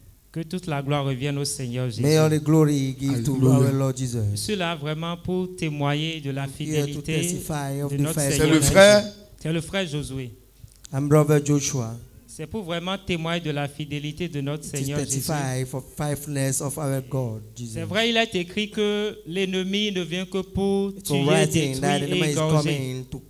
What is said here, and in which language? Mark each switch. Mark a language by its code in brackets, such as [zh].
[fr] Que toute la gloire revienne au Seigneur Jésus. [en] May all the glory give to our Lord Jesus. [fr] Cela vraiment pour témoigner de la fidélité de notre Seigneur. C'est le frère. C'est le frère Josué. [en] I'm brother Joshua. [fr] C'est pour vraiment témoigner de la fidélité de notre Seigneur Jésus. [en] Testify for faithfulness of our God Jesus. [fr] C'est vrai, il est écrit que l'ennemi ne vient que pour tuer, détruire et égorger.